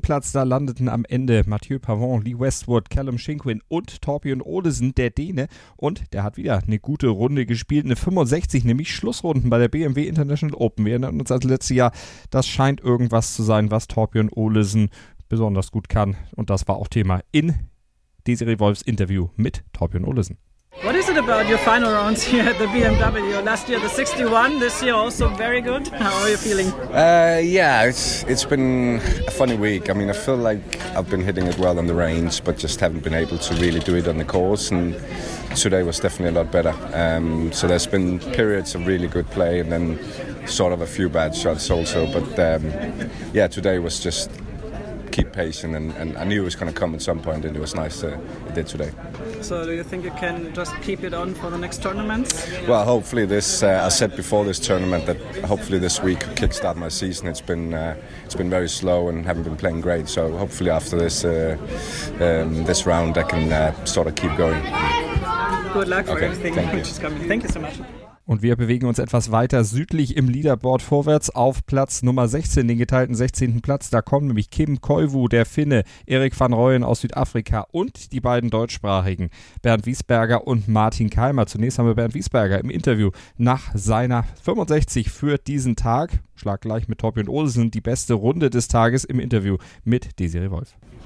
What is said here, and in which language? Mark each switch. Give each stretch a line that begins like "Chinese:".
German: Platz, da landeten am Ende Mathieu Pavon, Lee Westwood, Callum Shinquin und Torbjørn Olesen, der Däne. Und der hat wieder eine gute Runde gespielt, eine 65, nämlich Schlussrunden bei der BMW International Open. Wir erinnern uns als letztes Jahr, das scheint irgendwas zu sein, was Torbjørn Olesen besonders gut kann. Und das war auch Thema in Desiree Wolfs Interview mit Torbjørn Olesen.
English: What is it about your final rounds here at the BMW? Last year the 61, this year also very good. How are you feeling? It's been a funny week. I mean, I feel like I've been hitting it well on the range, but just haven't been able to really do it on the course. And today was definitely a lot better. So there's been periods of really good play and then sort of a few bad shots also. But today was just keep pacing, and I knew it was going to come at some point, and it was nice that it did today. So do you think you can just keep it on for the next tournaments? Well, hopefully this, I said before this tournament that hopefully this week kickstart my season. It's been very slow and haven't been playing great, so hopefully after this this round I can sort of keep going. Good luck for everything. Thank you. Thank you so much.
German: Und wir bewegen uns etwas weiter südlich im Leaderboard vorwärts auf Platz Nummer 16, den geteilten 16. Platz. Da kommen nämlich Kim Koivu, der Finne, Erik van Rooyen aus Südafrika und die beiden deutschsprachigen Bernd Wiesberger und Martin Keimer. Zunächst haben wir Bernd Wiesberger im Interview nach seiner 65 für diesen Tag, schlaggleich mit Torbjørn Olesen, die beste Runde des Tages im Interview mit Desiree Wolf.